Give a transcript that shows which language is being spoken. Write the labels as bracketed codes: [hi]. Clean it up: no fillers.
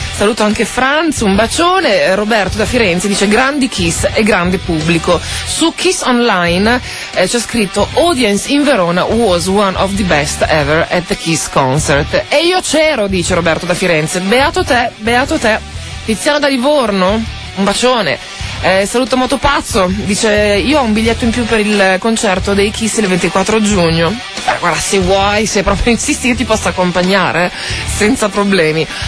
[it] Saluto anche Franz, un bacione. Roberto da Firenze dice, grandi Kiss e grande pubblico. Su Kiss Online c'è scritto, [en] audience in Verona was one of the best ever at the Kiss concert. [it] E io c'ero, dice Roberto da Firenze. Beato te, beato te. Tiziano da Livorno, un bacione. Saluto Motopazzo, dice, io ho un biglietto in più per il concerto dei Kiss il 24 giugno. Beh, guarda, se vuoi, se proprio insisti, io ti posso accompagnare, senza problemi.